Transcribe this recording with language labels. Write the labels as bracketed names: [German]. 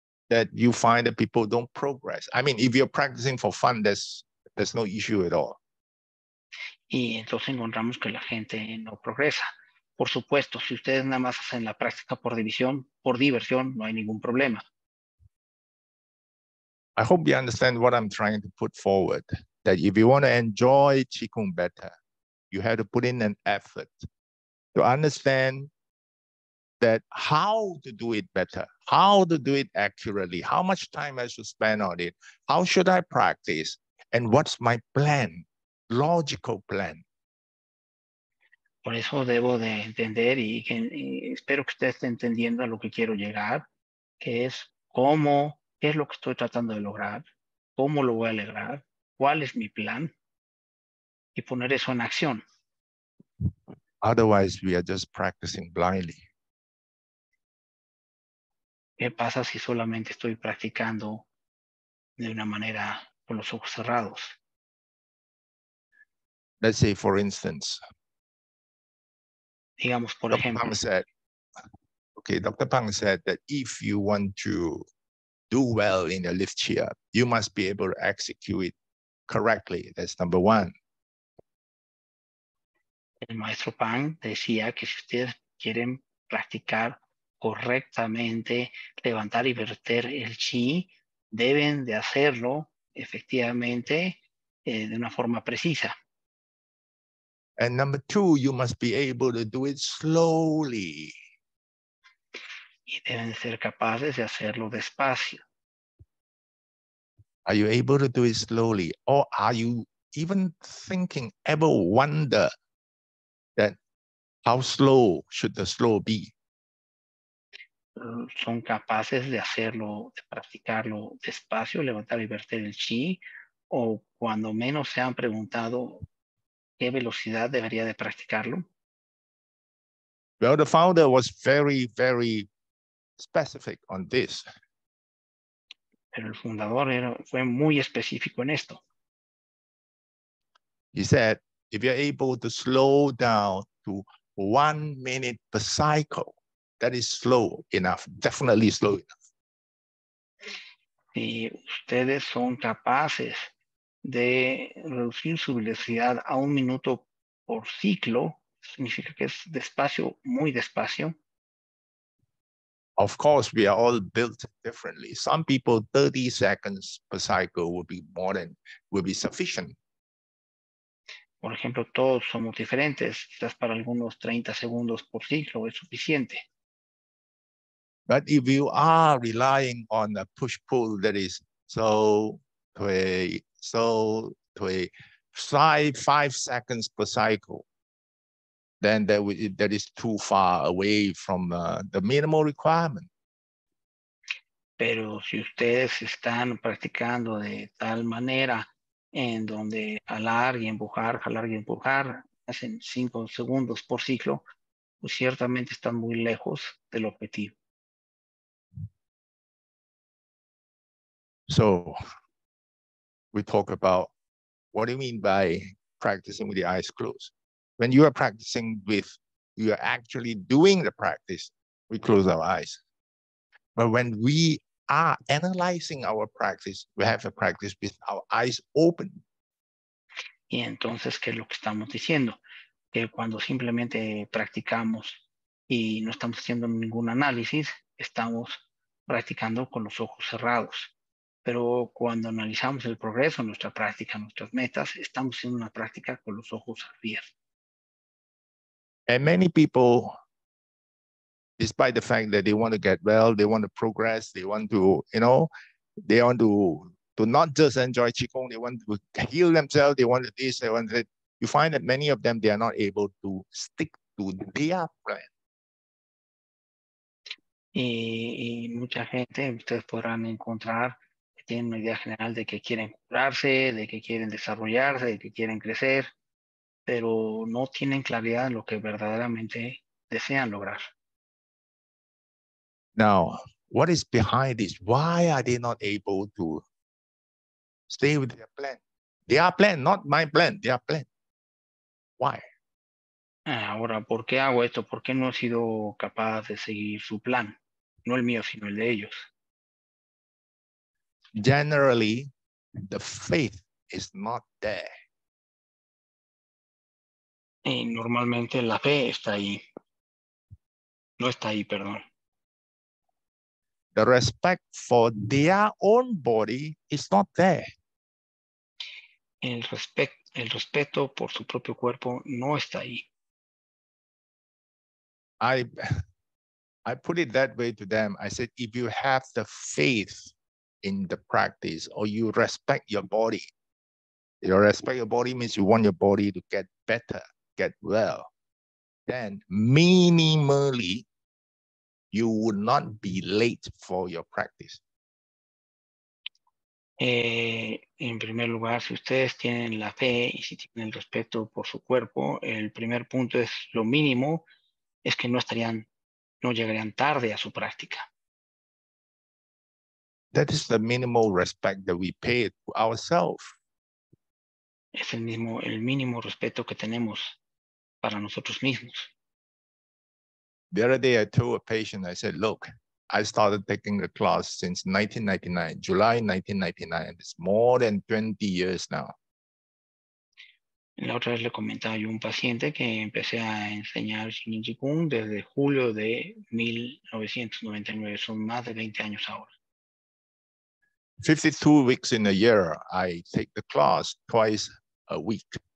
[English] That you find that people don't progress. I mean, if you're practicing for fun, there's no issue at all. [Spanish] Y entonces encontramos que la gente no progresa. Por supuesto, si ustedes nada más hacen la práctica por división, por diversión, no hay ningún problema. [English] I hope you understand what I'm trying to put forward. That if you want to enjoy Qigong better, you have to put in an effort to understand that how to do it better, how to do it accurately, how much time I should spend on it, how should I practice, and what's my plan, logical plan. [Spanish] Por eso debo de entender y espero que usted esté entendiendo a lo que quiero llegar, que es cómo, qué es lo que estoy tratando de lograr, cómo lo voy a lograr, cuál es mi plan y poner eso en acción. [English] Otherwise, we are just practicing blindly. [Spanish] ¿Qué pasa si solamente estoy practicando de una manera con los ojos cerrados? [English] Let's say, for instance, [Spanish] digamos, por ejemplo, [English] Dr. Pang said that if you want to do well in a lift chair, you must be able to execute it correctly. That's number one. [Spanish] El maestro Pang decía que si ustedes quieren practicar correctamente, levantar y verter el chi, deben de hacerlo efectivamente de una forma precisa. [English] And number two, you must be able to do it slowly. [Spanish] y deben ser capaces de hacerlo despacio. [English] Are you able to do it slowly, or are you even thinking, ever wonder that how slow should the slow be? [Spanish] ¿Son capaces de hacerlo, de practicarlo despacio, levantar y verter el chi, o cuando menos se han preguntado qué velocidad debería de practicarlo? [English] Well, the founder was very, very specific on this. [Spanish] Pero el fundador fue muy específico en esto. [English] He said, if you're able to slow down to 1 minute per cycle, that is slow enough, definitely slow enough. [Spanish] Si ustedes son capaces de reducir su velocidad a un minuto por ciclo, significa que es despacio, muy despacio. [English] Of course, we are all built differently. Some people, 30 seconds per cycle will be sufficient. [Spanish] Por ejemplo, todos somos diferentes. Quizás para algunos 30 segundos por ciclo es suficiente. [English] But if you are relying on a push-pull that is five seconds per cycle, then that is too far away from the minimal requirement. [Spanish] Pero si ustedes están practicando de tal manera en donde jalar y empujar, hacen 5 segundos por ciclo, pues ciertamente están muy lejos del objetivo. [English] So, we talk about what do you mean by practicing with the eyes closed? When you are practicing with, you are actually doing the practice, we close our eyes. But when we are analyzing our practice, we have a practice with our eyes open. [Spanish] Y entonces, ¿qué es lo que estamos diciendo? Que cuando simplemente practicamos y no estamos haciendo ningún análisis, estamos practicando con los ojos cerrados. Pero cuando analizamos el progreso, nuestra práctica, nuestras metas, estamos haciendo una práctica con los ojos abiertos. [English] And many people, despite the fact that they want to get well, they want to progress, they want to, you know, they want to not just enjoy Qigong, they want to heal themselves, they want this, they want that. You find that many of them, they are not able to stick to their plan. [Spanish] Y mucha gente, ustedes podrán encontrar que tienen una idea general de que quieren curarse, de que quieren desarrollarse, de que quieren crecer, pero no tienen claridad en lo que verdaderamente desean lograr. [English] Now, what is behind this? Why are they not able to stay with their plan? Their plan, not my plan, their plan. Why? [Spanish] Ahora, ¿por qué hago esto? ¿Por qué no he sido capaz de seguir su plan? No el mío, sino el de ellos. [English] Generally, the faith is not there. [Spanish] Y normalmente la fe está ahí. No está ahí, perdón. [English] The respect for their own body is not there. [Spanish] El respeto por su propio cuerpo no está ahí. [English] I put it that way to them. I said, if you have the faith in the practice or you respect your body, you respect your body means you want your body to get better, get well, then minimally, you would not be late for your practice. [Spanish] En primer lugar, si ustedes tienen la fe y si tienen el respeto por su cuerpo, el primer punto es lo mínimo, es que no llegarían tarde a su práctica. [English] That is the minimal respect that we pay to ourselves. [Spanish] Es el mínimo respeto que tenemos para nosotros mismos. [English] The other day, I told a patient, I said, look, I started taking the class since 1999, July 1999. It's more than 20 years now. [Spanish] La otra vez le comentaba yo a un paciente que empecé a enseñar Shin Qigong desde julio de 1999. Son más de 20 años ahora. [English] 52 weeks in a year, I take the class twice a week.